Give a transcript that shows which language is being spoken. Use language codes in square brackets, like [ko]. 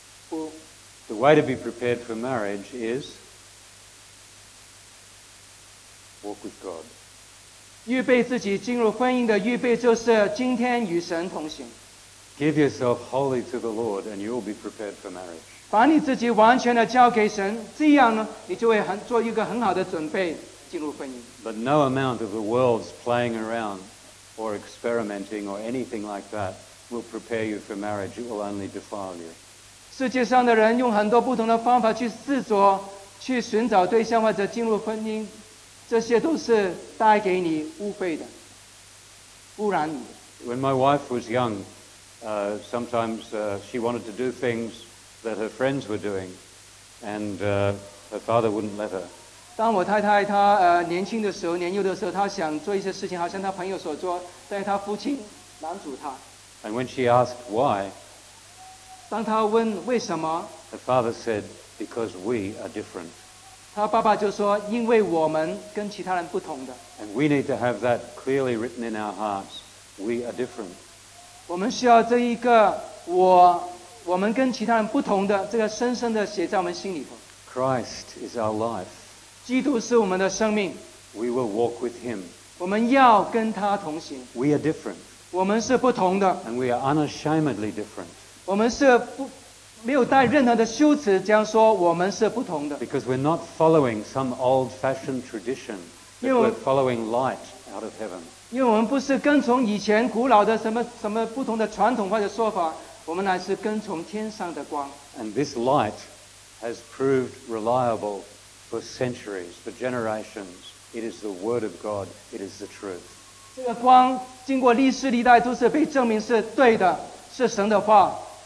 [en] The way to be prepared for marriage is walk with God. [zh] 预备自己进入婚姻的预备就是今天与神同行。 [en] Give yourself wholly to the Lord, and you will be prepared for marriage. [zh] 把你自己完全的交给神，这样呢，你就会做一个很好的准备进入婚姻。 [en] But no amount of the world's playing around or experimenting or anything like that will prepare you for marriage. It will only defile you. [zh] 世界上的人用很多不同的方法去试着去寻找对象或者进入婚姻，这些都是带给你误会的，污染你。 [en] When my wife was young, sometimes she wanted to do things that her friends were doing, and her father wouldn't let her. [zh] 当我太太她年轻的时候，年幼的时候，她想做一些事情，好像她朋友所做，但是她父亲拦阻她。 [en] And when she asked why. [zh] 当他问为什么 [en] ，The father said, "Because we are different." [zh] 他爸爸就说，因为我们跟其他人不同的。 [en] And we need to have that clearly written in our hearts. We are different. [zh] 我们需要这一个我们跟其他人不同的这个深深的写在我们心里头。 [en] Christ is our life. [zh] 基督是我们的生命。 [en] We will walk with Him. [zh] 我们要跟他同行。 [en] We are different. [zh] 我们是不同的。 [en] And we are unashamedly different. [zh] 我们是不没有带任何的羞耻，这样说我们是不同的。 [en] Because we're not following some old-fashioned tradition, but we're following light out of heaven. [zh] 因为我们不是跟从以前古老的什么什么不同的传统或者说法，我们乃是跟从天上的光。 [en] And this light has proved reliable for centuries, for generations. It is the Word of God. It is the truth. [zh] 这个光经过历世历代都是被证明是对的，是神的话。